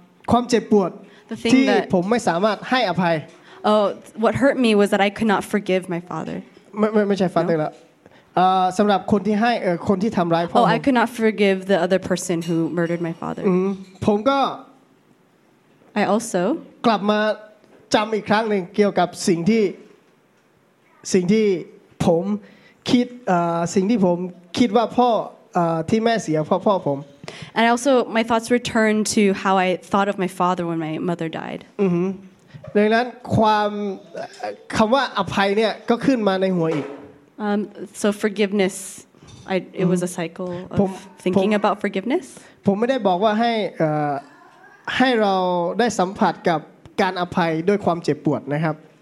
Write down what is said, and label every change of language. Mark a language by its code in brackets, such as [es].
[th] ความเจ็บปวดที่ผมไม่สามารถให้อภัย [en] Oh, what hurt me was that I could not forgive my father. [th] ไม่ใช่ father ละสำหรับคนที่ให้คนที่ทำร้ายพ่อ [en] Oh, I could not forgive the other person who murdered my father. [th] ผมก็ [en] I also [th] กลับมาจำอีกครั้งหนึ่งเกี่ยวกับสิ่งที่ผมคิดสิ่งที่ผมคิดว่าพ่อ ที่แม่เสียเพราะพ่อผม [en] And also my thoughts return to how I thought of my father when my mother died. [th] ดังนั้นความคำว่าอภัยเนี่ยก็ขึ้นมาในหัวอีก [en] So forgiveness it was a cycle of thinking about forgiveness. [th] ผมไม่ได้บอกว่าให้เราได้สัมผัสกับการอภัยด้วยความเจ็บปวดนะครับ